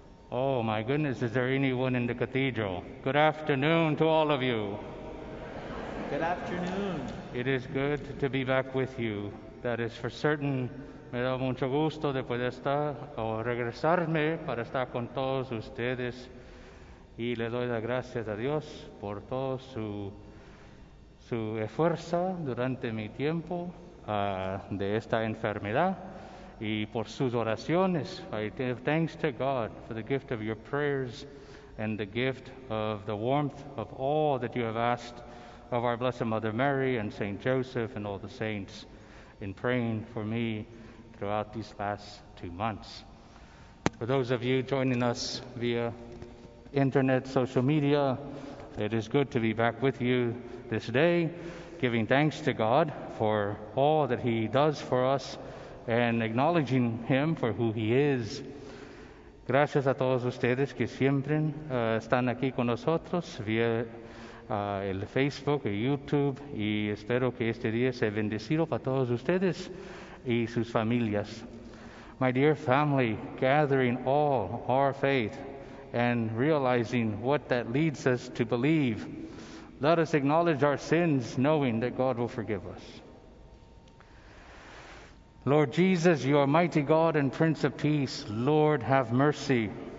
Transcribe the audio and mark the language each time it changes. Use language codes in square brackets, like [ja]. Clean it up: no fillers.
[en] Oh my goodness, is there anyone in the cathedral? Good afternoon to all of you. Good afternoon. It is good to be back with you. That is for certain. [es] Me da mucho gusto de poder estar o regresarme para estar con todos ustedes. Y le doy las gracias a Dios por todo su esfuerzo durante mi tiempo de esta enfermedad y por sus oraciones. [en] I give thanks to God for the gift of your prayers and the gift of the warmth of all that you have asked of our Blessed Mother Mary and Saint Joseph and all the saints in praying for me throughout these last 2 months. For those of you joining us via Internet, social media, it is good to be back with you this day, giving thanks to God for all that He does for us and acknowledging Him for who He is. [es] Gracias a todos ustedes que siempre están aquí con nosotros vía el Facebook y YouTube, y espero que este día sea bendecido para todos ustedes y sus familias. [en] My dear family, gathering all our faith and realizing what that leads us to believe, let us acknowledge our sins, knowing that God will forgive us. Lord Jesus, you are mighty God and Prince of Peace. Lord, have mercy.